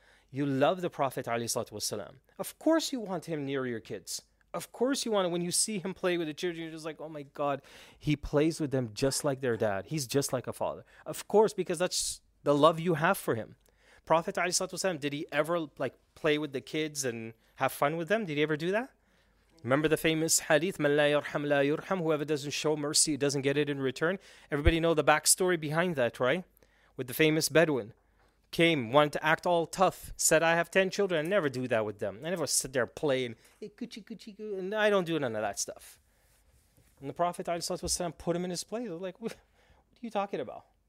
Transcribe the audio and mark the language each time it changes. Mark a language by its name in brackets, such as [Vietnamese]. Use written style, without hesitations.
[English] You love the Prophet ﷺ. Of course you want him near your kids. Of course you want him. When you see him play with the children, you're just like, oh my God. He plays with them just like their dad. He's just like a father. Of course, because that's the love you have for him. Prophet ﷺ, did he ever like play with the kids and have fun with them? Did he ever do that? Remember the famous hadith, [Arabic] مَنْ لَا يَرْحَمْ لَا يُرْحَمْ. [English] Whoever doesn't show mercy, doesn't get it in return. Everybody know the backstory behind that, right? With the famous Bedouin. Came, wanted to act all tough. Said, I have 10 children. I never do that with them. I never sit there playing. Hey, coochie, coochie, coo. And I don't do none of that stuff. And the Prophet ﷺ put him in his place. Like, what are you talking about?